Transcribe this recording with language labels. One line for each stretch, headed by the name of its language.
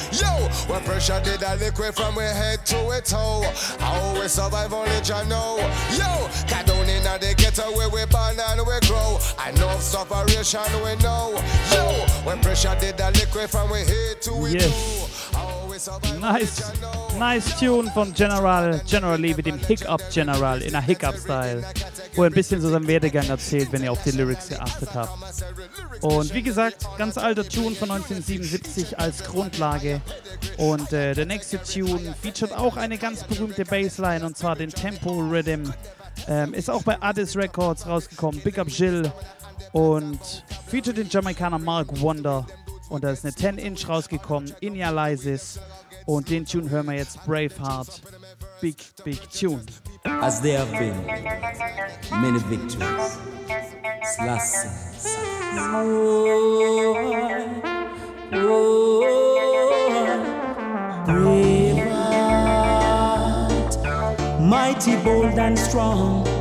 English: Yo, when pressure did a liquid from we head to we toe. How we survive, only Jah know. Yo, down in the ghetto, where we born and we grow. Enough separation, we know. Yo, when pressure did a liquid from we head to we toe.
German: Nice tune from General Lee mit dem Hiccup General
English: in a Hiccup Style,
German: wo er ein bisschen so seinen Werdegang erzählt, wenn ihr auf die Lyrics geachtet habt. Und wie gesagt, ganz alter Tune von 1977 als Grundlage. Und der nächste Tune featuret auch eine ganz berühmte Bassline, und zwar den Tempo Rhythm. Ist auch bei Addis Records rausgekommen,
English: Big Up
German: Jill, und featuret den Jamaikaner Mark Wonder. Und da ist eine 10-Inch rausgekommen, Inialysis. Und den Tune hören wir jetzt, Braveheart.
English: Big, big Tune. As there have been many victories, Slassen. Braveheart, mighty, bold and strong.